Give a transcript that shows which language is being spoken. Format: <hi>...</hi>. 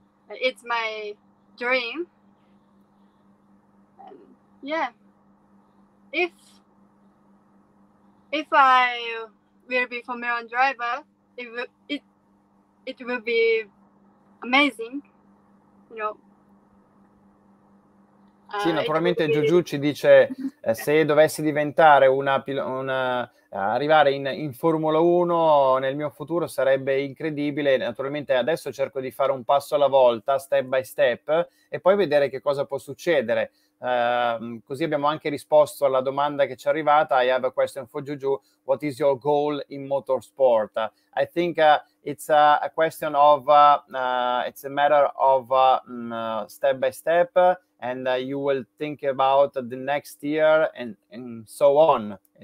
<en>It's my dream. And yeah, if I will be Formula One driver, it will be amazing, you know.</en> <it>Sì, naturalmente Giugiu ci dice: se dovessi diventare arrivare in Formula 1 nel mio futuro sarebbe incredibile. Naturalmente adesso cerco di fare un passo alla volta,</it> <en>step by step,</en> <it>e poi vedere che cosa può succedere. Così abbiamo anche risposto alla domanda che ci è arrivata.</it> <en>I have a question for Giugiu: what is your goal in motorsport? I think it's a question of it's a matter of step by step, and you will think about the next year and so on.</en>